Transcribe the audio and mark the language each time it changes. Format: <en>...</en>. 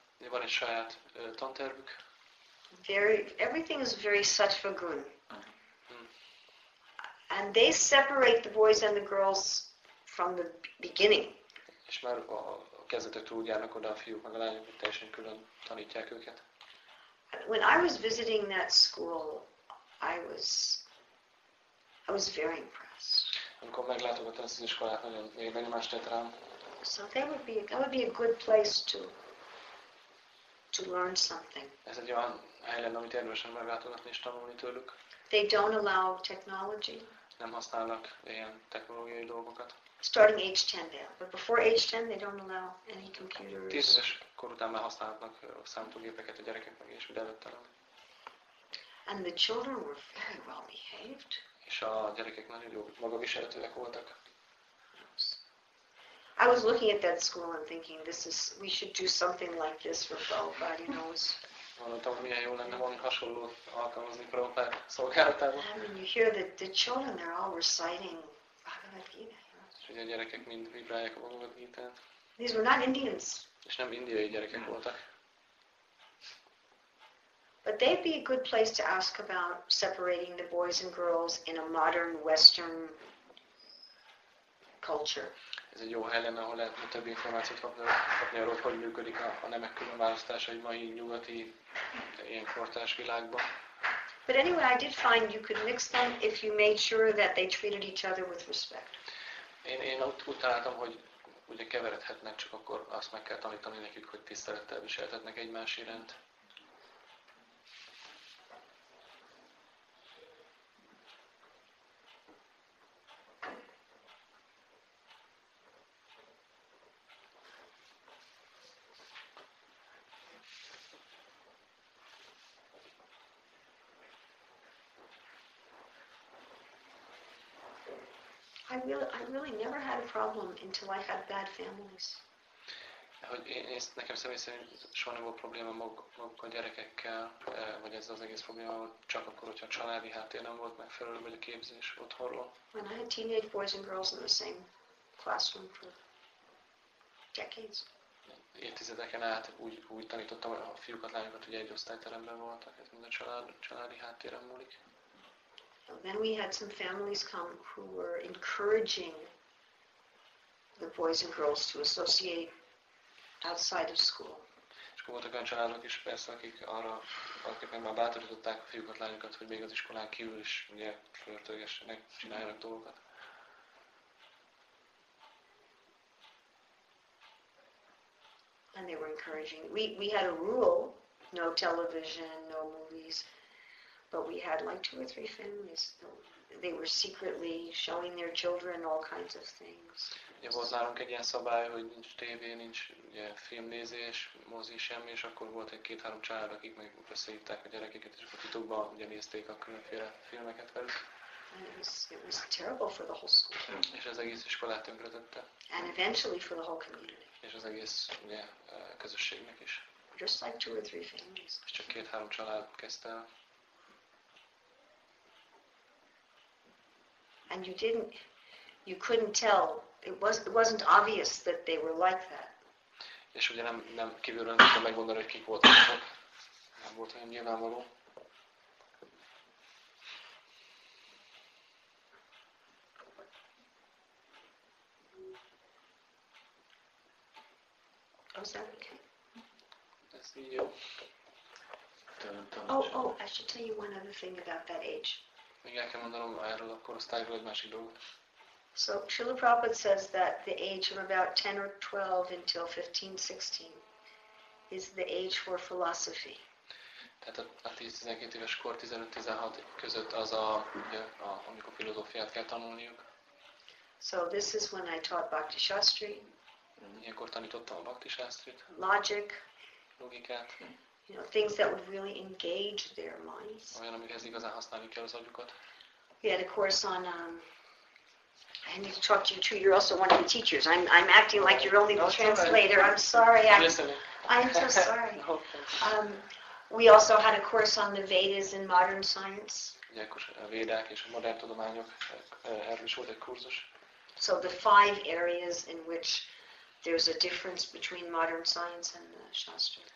<hu>van egy saját tantervük.</hu> <en>Everything is very sattva gun. And they separate the boys and the girls from the beginning.</en> <hu>És már a kezdetektől úgy járnak oda a fiúk, meg a lányok, hogy teljesen külön tanítják őket.</hu> <en>When I was visiting that school, I was very impressed.</en> <hu>Amikor meglátogattam az iskolát, nagyon benyomást tett rám.</hu> <en>So that would be a good place to learn something.</en> <hu>Ez egy olyan hely lenne, amit érdemesen meglátogatni és tanulni tőlük.</hu> <en>They don't allow technology.</en> <hu>Nem használnak ilyen technológiai dolgokat.</hu> <en>Starting age 10, but before age 10, they don't allow any computers.</en> <hu>10 éves kor után már használhatnak számítógépeket a gyerekek meg, és előtte nem.</hu> <en>And the children were very well behaved.</en> <hu>És a gyerekek nagyon jó, magaviseletűek voltak.</hu> <en>I was looking at that school and thinking, we should do something like this for Prabhupada, you know.</en> <hu>Mondtam, hogy milyen jó lenne valami hasonlót alkalmazni Prabhupada szolgálatában.</hu> <en>I mean, you hear the children, they're all reciting Bhagavad Gita.</en> <hu>Ugye a gyerekek mind vibrálják a Bhagavad Gítát.</hu> <en>These were not Indians.</en> <hu>És nem indiai gyerekek voltak.</hu> <en>But they'd be a good place to ask about separating the boys and girls in a modern Western culture.</en> <hu>Ez egy jó hely lenne, ahol lehet több információt kapni arról, hogy működik a nemek különválasztása egy mai nyugati, ilyen kortárs világban.</hu> <en>But anyway, I did find you could mix them if you made sure that they treated each other with respect.</en> <hu>Én úgy találtam, hogy ugye keveredhetnek, csak akkor azt meg kell tanítani nekik, hogy tisztelettel viselhetnek egymás iránt.</hu> <en>I really never had a problem until I had bad families.</en> <hu>Hogy én nekem személy szerint soha nem volt probléma maguk a gyerekekkel, vagy ez az egész probléma, csak akkor, hogyha a családi háttér nem volt megfelelő, vagy a képzés otthonról.</hu> <en>When I had teenage boys and girls in the same classroom for decades.</en> <hu>Évtizedeken át úgy tanítottam a fiúkat, lányokat, hogy egy osztályteremben voltak, ez mind a családi háttérem múlik.</hu> <en>Then we had some families come who were encouraging the boys and girls to associate outside of school.</en> <hu>És akkor voltak olyan családok is, persze, akik arra, akiknek már bátorították a fiúkat, lányokat, hogy még az iskolán kívül is ugye flörtögessenek, csináljanak dolgokat.</hu> <en>And they were encouraging. We had a rule, no television, no movies. But we had like two or three families. They were secretly showing their children all kinds of things.</en> <hu>Ja, volt nálunk egy ilyen szabály, hogy nincs tévé, nincs filmnézés, mozi, semmi, és akkor volt egy két-három család, akik meg összehívták a gyerekeket, és akkor titokban ugye nézték a különféle filmeket velük.</hu> <en>It was terrible for the whole school.</en> <hu>És az egész iskolát tönkretette.</hu> <en>And eventually for the whole community.</en> <hu>És az egész közösségnek is.</hu> <en>Just like two or three families.</en> <hu>És csak két-három család kezdte el.</hu> <en>And you couldn't tell. It wasn't obvious that they were like that.</en> <hu>És ugye nem kívülről nem tudtam megmondani, hogy kik voltak. Nem volt olyan nyilvánvaló.</hu> <en>Oh, is that okay?</en> <hu>Ez így jó.</hu> <en>Oh, I should tell you one other thing about that age.</en> <hu>Még el kell mondanom erről a korosztályról egy másik dolgot.</hu> <en>So Srila Prabhupada says that the age of about 10 or 12 until 15-16 is the age for philosophy.</en> <hu>Tehát a 10-12 éves kor 15-16 között az amikor filozófiát kell tanulniuk.</hu> <en>So this is when I taught Bhakti Shastri.</en> <hu>Ilyenkor tanítottam a Bhakti Shastrit.</hu> <en>Logic.</en> <hu>Logikát.</hu> <en>You know, things that would really engage their minds.</en> <hu>Olyan, amikhez igazán használni kell az agyukat.</hu> <en>We had a course on, I need to talk to you too, you're also one of the teachers. I'm acting like you're only the translator. I'm sorry. I'm so sorry. We also had a course on the Vedas and modern science.</en> <hu>A Védák és a modern tudományok, erről is volt egy kurzus.</hu> <en>So the five areas in which there's a difference between modern science and the Shastra.</en>